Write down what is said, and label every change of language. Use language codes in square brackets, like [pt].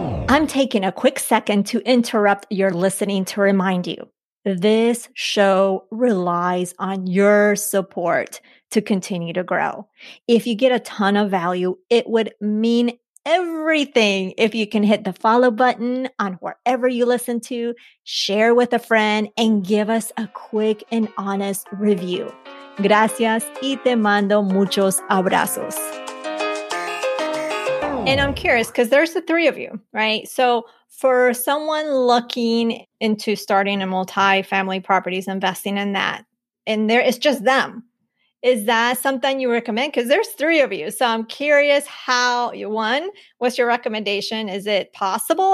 [en] I'm taking a quick second to interrupt your listening to remind you, this show relies on your support to continue to grow. If you get a ton of value, it would mean everything if you can hit the follow button on wherever you listen to, share with a friend, and give us a quick and honest review. [es] Gracias y te mando muchos abrazos. [en] And I'm curious, because there's the three of you, right? So for someone looking into starting a multifamily properties, investing in that, and there is just them, is that something you recommend? Because there's three of you. So I'm curious how, one, what's your recommendation? Is it possible?